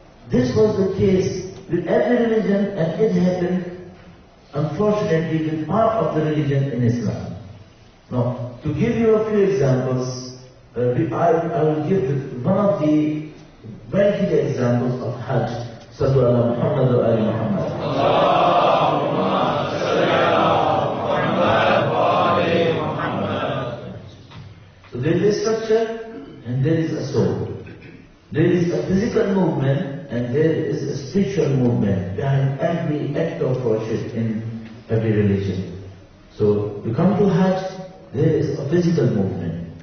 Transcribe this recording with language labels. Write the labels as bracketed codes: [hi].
[en] This was the case with every religion, and it happened, unfortunately, with part of the religion in Islam. Now, to give you a few examples, I will give one of the very good examples of Hajj. [ar] صلى الله على محمد وآل محمد. اللهم صل على محمد وآل محمد. [en] So there is a structure and there is a soul. There is a physical movement and there is a spiritual movement behind every act of worship in every religion. So you come to Hajj, there is a physical movement.